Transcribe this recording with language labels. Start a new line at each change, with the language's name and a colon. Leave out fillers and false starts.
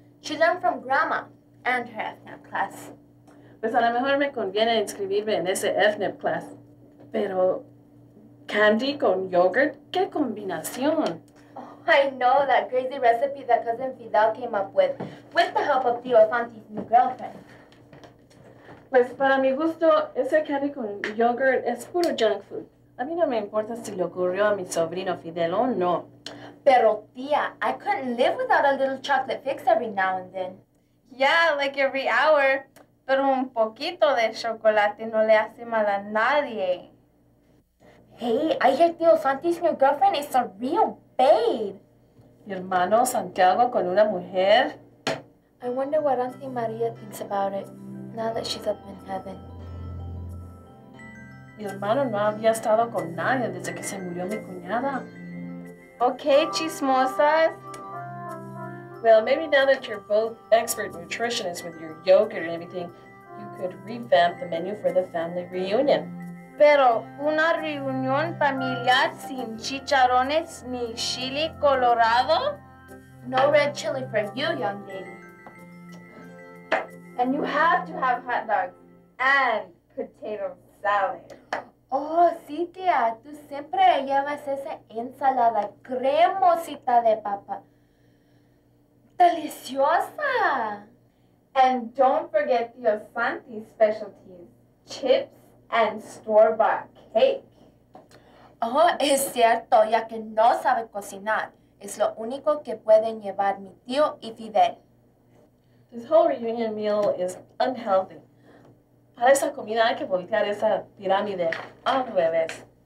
English: She learned from grandma and her FNAP class.
Spanish: Pues a lo mejor me conviene inscribirme en ese FNAP class. Pero candy con yogurt, ¿qué combinación?
English: I know that crazy recipe that Cousin Fidel came up with the help of Tio Santi's new girlfriend.
Spanish: Pues para mi gusto, ese candy con yogurt es puro junk food. A mí no me importa si le ocurrió a mi sobrino Fidel o no. Pero tía,
English: I couldn't live without a little chocolate fix every now and then. Yeah, like every hour.
Spanish: Pero un poquito de chocolate no le hace mal a nadie.
English: Hey, I hear Tio Santi's new girlfriend is a real babe.
Spanish: hermano Santiago con una mujer.
English: I wonder what Auntie Maria thinks about it now that she's up in heaven.
Spanish: Mi hermano no había estado con nadie desde que se murió mi cuñada.
English: Okay, chismosas. Well, maybe now that you're both expert nutritionists with your yogurt and everything, you could revamp the menu for the family reunion.
Spanish: Pero una reunión familiar sin chicharrones ni chili colorado?
English: No red chili for you, young lady. And you have to have hot dogs and potato salad.
Spanish: Oh, sí, tía. Tú siempre llevas esa ensalada cremosita de papa. Deliciosa!
English: And don't forget the Osanti's specialties, chips and store-bought cake.
Spanish: Oh, es cierto, ya que no sabe cocinar. Es lo único que pueden llevar mi tío y Fidel.
English: This whole reunion meal is unhealthy.
Spanish: Para esa comida hay que voltear esa pirámide al revés.